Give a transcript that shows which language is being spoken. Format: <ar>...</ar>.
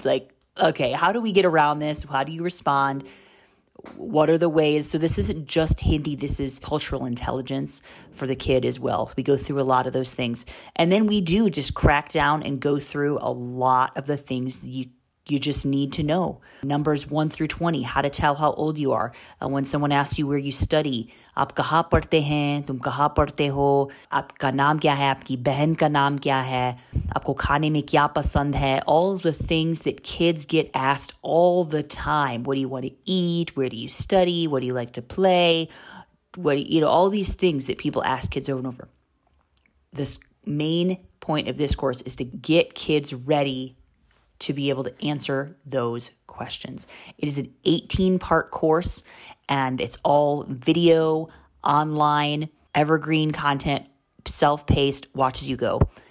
<en>It's like, okay, how do we get around this? How do you respond? What are the ways? So this isn't just Hindi. This is cultural intelligence for the kid as well. We go through a lot of those things. And then we do just crack down and go through a lot of the things you just need to know. Numbers 1 through 20, how to tell how old you are. When someone asks you where you study,</en> <hi>आप कहाँ पढ़ते हैं, तुम कहाँ पढ़ते हो, आपका नाम क्या है, आपकी बहन का नाम क्या है, आपको खाने में क्या पसंद है,</hi> <en>all of the things that kids get asked all the time. What do you want to eat? Where do you study? What do you like to play? All these things that people ask kids over and over. This main point of this course is to get kids ready to be able to answer those questions. It is an 18-part course, and it's all video, online, evergreen content, self-paced, watch as you go.</en>